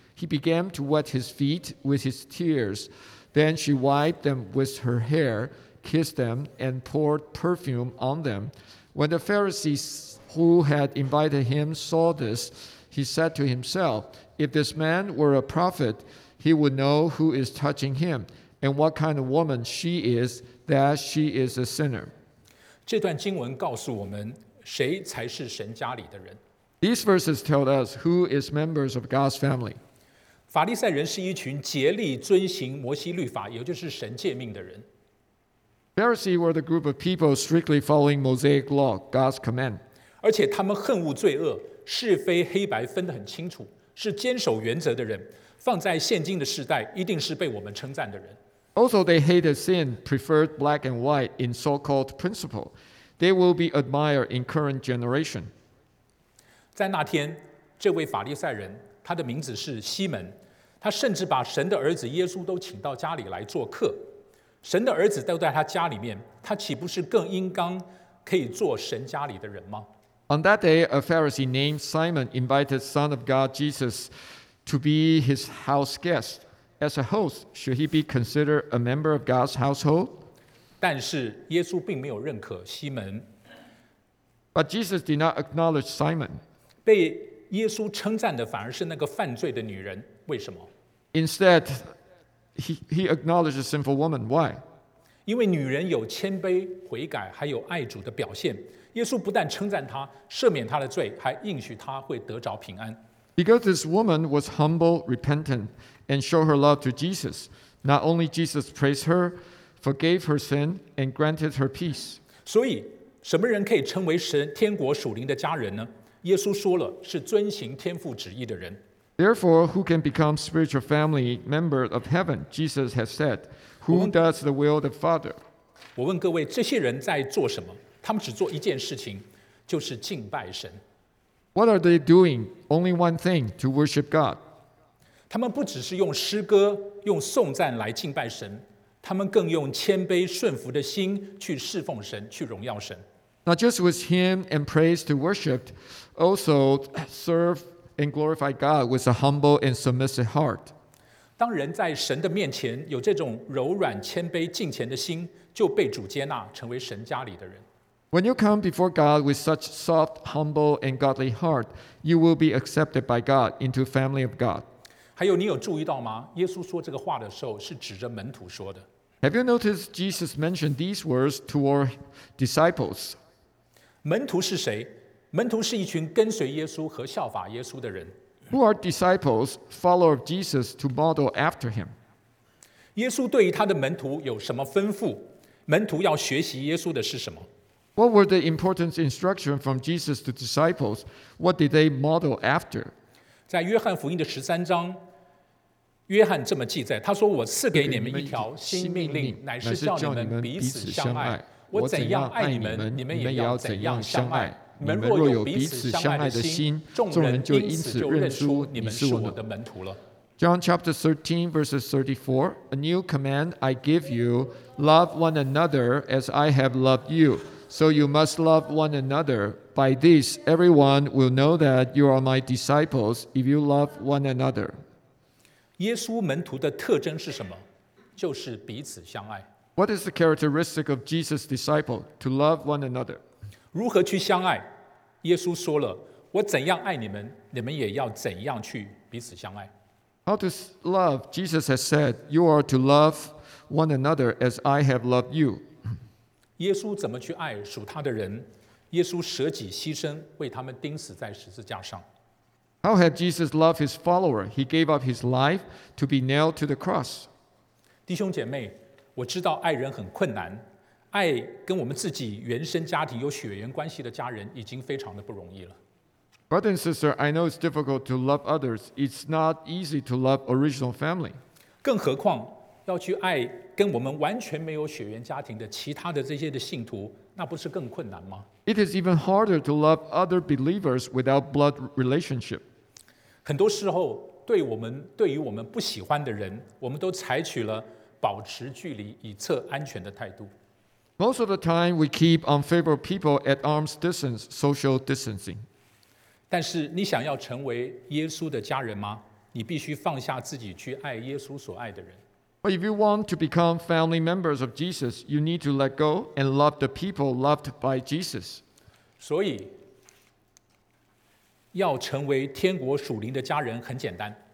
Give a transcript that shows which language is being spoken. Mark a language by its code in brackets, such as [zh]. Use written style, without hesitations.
[en] He began to wet his feet with his tears. Then she wiped them with her hair, kissed them, and poured perfume on them. When the Pharisee who had invited him saw this, he said to himself, If this man were a prophet, he would know who is touching him, and what kind of woman she is, that she is a sinner. [zh] 这段经文告诉我们谁才是神家里的人。 [en] These verses tell us who is members of God's family. [zh] 法利赛人是一群竭力遵行摩西律法，也就是神诫命的人。 [en] Pharisees were the group of people strictly following Mosaic law, God's command. [zh] 而且他们恨恶罪恶，是非黑白分得很清楚，是坚守原则的人，放在现今的时代一定是被我们称赞的人。 [en] Also, they hated sin, preferred black and white in so-called principle. They will be admired in current generation. [zh] 在那天，这位法利赛人，他的名字是西门，他甚至把神的儿子耶稣都请到家里来做客。神的儿子都在他家里面，他岂不是更应当可以做神家里的人吗？ [en] On that day, a Pharisee named Simon invited Son of God Jesus to be his house guest. As a host, should he be considered a member of God's household? [zh] 但是耶稣并没有认可西门。 [en] But Jesus did not acknowledge Simon. [zh] 被耶稣称赞的反而是那个犯罪的女人，为什么？ [en] Instead, he acknowledged a sinful woman. Why? [zh] 因为女人有谦卑、悔改，还有爱主的表现。耶稣不但称赞她，赦免她的罪，还应许她会得着平安。 [en] Because this woman was humble, repentant, and showed her love to Jesus, not only Jesus praised her, forgave her sin, and granted her peace. [zh] 所以，什么人可以称为神天国属灵的家人呢？耶稣说了，是遵行天父旨意的人。 [en] Therefore, who can become spiritual family member of heaven? Jesus has said, "Who does the will of the Father?" [zh] 我问各位，这些人在做什么？他们只做一件事情，就是敬拜神。 [en] What are they doing? Only one thing, to worship God. [zh] 他们不只是用诗歌、用颂赞来敬拜神，他们更用谦卑顺服的心去侍奉神、去荣耀神。 [en] Not just with hymn and praise to worship, also serve and glorify God with a humble and submissive heart. [zh] 当人在神的面前有这种柔软、谦卑、敬虔的心，就被主接纳，成为神家里的人。 [en] When you come before God with such soft, humble, and godly heart, you will be accepted by God into family of God. [zh] 还有，你有注意到吗？耶稣说这个话的时候，是指着门徒说的。 [en] Have you noticed Jesus mentioned these words toward disciples? [zh] 门徒是谁？门徒是一群跟随耶稣和效法耶稣的人。 [en] Who are disciples, followers of Jesus, to model after him? [zh] 耶稣对于他的门徒有什么吩咐？门徒要学习耶稣的是什么？ [en] What were the important instructions from Jesus to disciples? What did they model after? [zh] 在约翰福音的十三章，约翰这么记载，他说：“我赐给你们一条新命令，乃是叫你们彼此相爱。我怎样爱你们，你们也要怎样相爱。” 你们若有彼此相爱的心，众人就因此认出你们是我的门徒了。 [en] John chapter 13 verses 34, a new command I give you, love one another as I have loved you. So you must love one another. By this, everyone will know that you are my disciples if you love one another. [zh] 耶稣门徒的特征是什么？就是彼此相爱。 [en] What is the characteristic of Jesus' disciple? To love one another. [zh] 如何去相爱？耶稣说了，我怎样爱你们，你们也要怎样去彼此相爱。 [en] How to love? Jesus has said, you are to love one another as I have loved you. [zh] 耶稣怎么去爱属他的人？耶稣舍己牺牲，为他们钉死在十字架上。 [en] How had Jesus loved his follower? He gave up his life to be nailed to the cross. [zh] 弟兄姐妹，我知道爱人很困难，爱跟我们自己原生家庭有血缘关系的家人已经非常的不容易了。 [en] Brother and sister, I know it's difficult to love others. It's not easy to love original family. [zh] 更何况要去爱跟我们完全没有血缘家庭的其他的这些的信徒，那不是更困难吗？ [en] It is even harder to love other believers without blood relationship. [zh] 很多时候对于我们不喜欢的人，我们都采取了保持距离以测安全的态度。 [en] Most of the time, we keep unfavorable people at arm's distance, social distancing. [zh] 但是你想要成为耶稣的家人吗？你必须放下自己去爱耶稣所爱的人。 [en] But if you want to become family members of Jesus, you need to let go and love the people loved by Jesus. [zh] 所以要成为天国属灵的家人很简单。